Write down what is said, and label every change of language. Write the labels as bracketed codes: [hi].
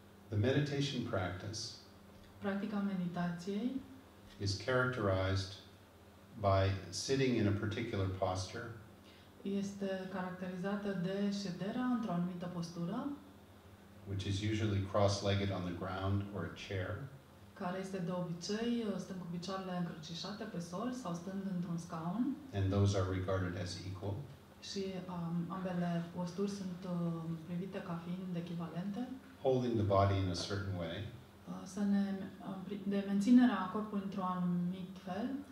[en] The meditation practice. [ro] Practica meditației [en] is characterized by sitting in a particular posture. [ro] Este caracterizată de șederea într-o anumită postură. [en] Which is usually cross-legged on the ground or a chair. [ro] Care este de obicei stând cu picioarele încrucișate pe sol sau stând într-un scaun. [en] And those are regarded as equal. [ro] Și ambele posturi sunt privite ca fiind echivalente. [en] Holding the body in a certain way. [ro] să ne de menținerea corpului într-un anumit fel.